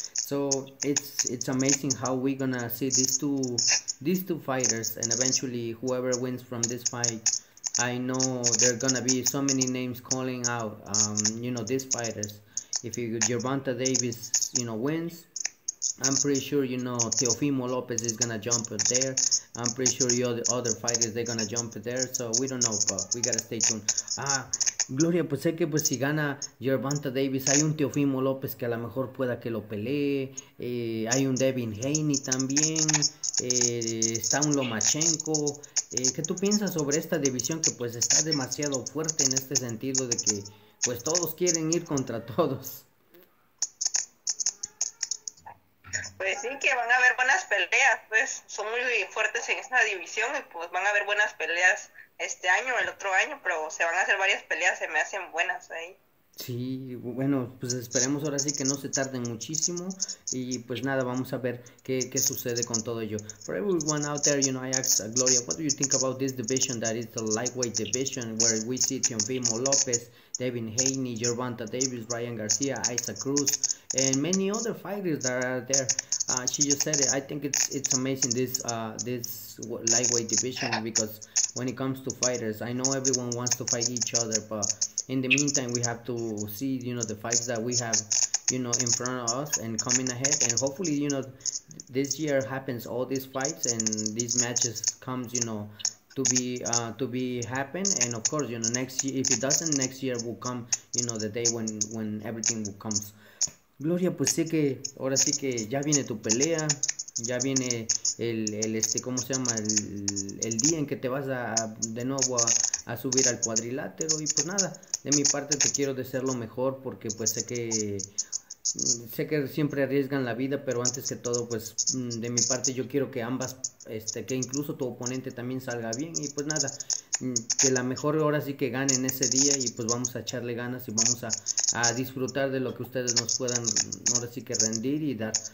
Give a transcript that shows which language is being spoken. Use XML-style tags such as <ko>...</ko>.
<en>So it's amazing how we're gonna see these two fighters, and eventually whoever wins from this fight, I know there are gonna be so many names calling out these fighters. If Gervonta Davis wins, I'm pretty sure Teofimo Lopez is gonna jump up there. I'm pretty sure the other fighters, they're gonna jump there. So we don't know, but we gotta stay tuned.</en> <es>Gloria, pues sé que pues si gana Gervonta Davis, hay un Teofimo López que a lo mejor pueda que lo pelee, hay un Devin Haney también, está un Lomachenko. ¿Qué tú piensas sobre esta división que pues está demasiado fuerte en este sentido de que pues todos quieren ir contra todos? Pues sí, que van a haber buenas peleas, pues son muy fuertes en esta división y pues van a haber buenas peleas este año, el otro año, pero se van a hacer varias peleas, se me hacen buenas ahí. Sí, bueno, pues esperemos ahora sí que no se tarden muchísimo y pues nada, vamos a ver qué sucede con todo ello.</es> <en>For everyone out there, I ask Gloria, what do you think about this division that is the lightweight division where we see Teofimo López, Devin Haney, Gervonta Davis, Ryan Garcia, Isaac Cruz, and many other fighters that are there? She just said it. I think it's amazing this lightweight division because when it comes to fighters, I know everyone wants to fight each other, but in the meantime, we have to see, the fights that we have, in front of us and coming ahead. And hopefully, this year happens all these fights and these matches comes, to be happen. And of course, next year, if it doesn't, next year will come, the day when everything will comes.</en> <es>Gloria, pues sí que ahora sí que ya viene tu pelea, ya viene ¿cómo se llama? El día en que te vas de nuevo a subir al cuadrilátero y pues nada, de mi parte te quiero desear lo mejor porque pues sé que siempre arriesgan la vida, pero antes que todo pues de mi parte yo quiero que que incluso tu oponente también salga bien y pues nada, que la mejor hora sí que gane en ese día y pues vamos a echarle ganas y vamos a disfrutar de lo que ustedes nos puedan ahora sí que rendir y dar.</es>